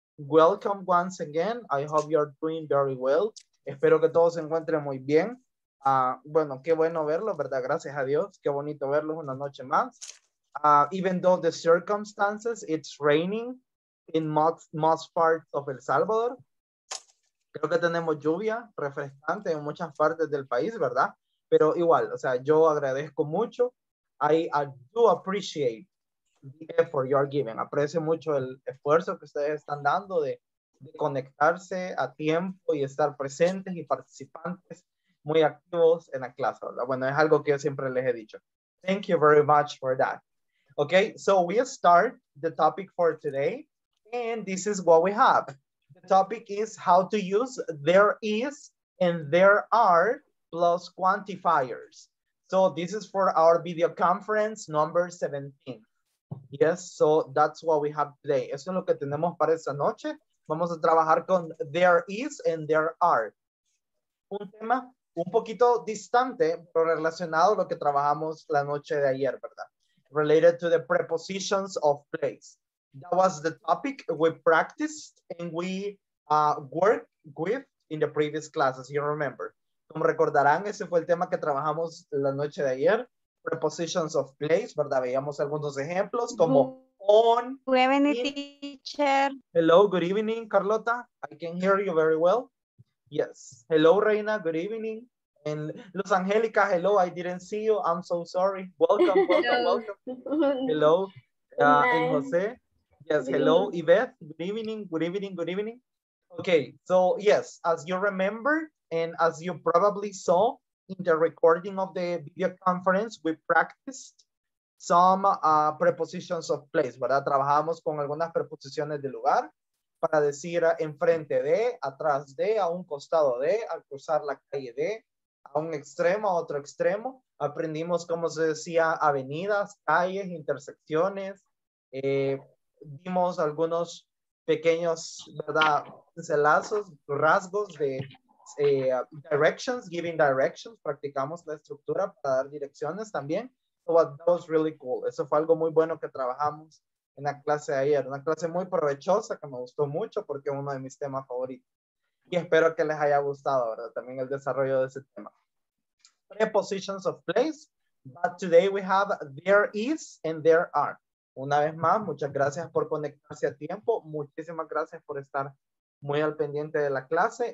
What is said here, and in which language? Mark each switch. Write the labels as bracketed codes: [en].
[en] Welcome once again. I hope you're doing very well. [es] Espero que todos se encuentren muy bien. Bueno, qué bueno verlos, ¿verdad? Gracias a Dios. Qué bonito verlos una noche más. [en] Even though the circumstances, it's raining in most parts of El Salvador. [es] Creo que tenemos lluvia refrescante en muchas partes del país, ¿verdad? Pero igual, o sea, yo agradezco mucho. [en] I do appreciate the effort you are giving. [es] Aprecio mucho el esfuerzo que ustedes están dando de conectarse a tiempo y estar presentes y participantes muy activos en la clase, ¿verdad? Bueno, es algo que yo siempre les he dicho. [en] Thank you very much for that. Okay, so we start the topic for today. And this is what we have. The topic is how to use there is and there are plus quantifiers. So this is for our video conference number 17. Yes, so that's what we have today. [es] Eso es lo que tenemos para esta noche. Vamos a trabajar con there is and there are. Un tema un poquito distante, pero relacionado a lo que trabajamos la noche de ayer, ¿verdad? [en] Related to the prepositions of place. That was the topic we practiced and we worked with in the previous classes, you remember. [es] Como recordarán, ese fue el tema que trabajamos la noche de ayer, prepositions of place, ¿verdad? Veíamos algunos ejemplos como on. [en] Good evening, teacher. Hello, good evening, Carlota. I can hear you very well. Yes. Hello, Reina, good evening. And Los Angelica, hello, I didn't see you. I'm so sorry. Welcome, welcome, hello. Welcome. Hello, and Jose. Yes, hello, Yvette. Good evening, good evening, good evening. Okay, so yes, as you remember, and as you probably saw in the recording of the video conference, we practiced some prepositions of place, ¿verdad? [es] Trabajamos con algunas preposiciones de lugar para decir enfrente de, atrás de, a un costado de, al cruzar la calle de, a un extremo, a otro extremo. Aprendimos, como se decía, avenidas, calles, intersecciones, dimos algunos pequeños, ¿verdad?, pincelazos, rasgos de directions, [en] giving directions, [es] practicamos la estructura para dar direcciones también. [en] So that was really cool. [es] Eso fue algo muy bueno que trabajamos en la clase de ayer. Una clase muy provechosa que me gustó mucho porque es uno de mis temas favoritos. Y espero que les haya gustado, ¿verdad?, también el desarrollo de ese tema. [en] Prepositions of place, but today we have there is and there are. [es] Una vez más, muchas gracias por conectarse a tiempo. Muchísimas gracias por estar muy al pendiente de la clase.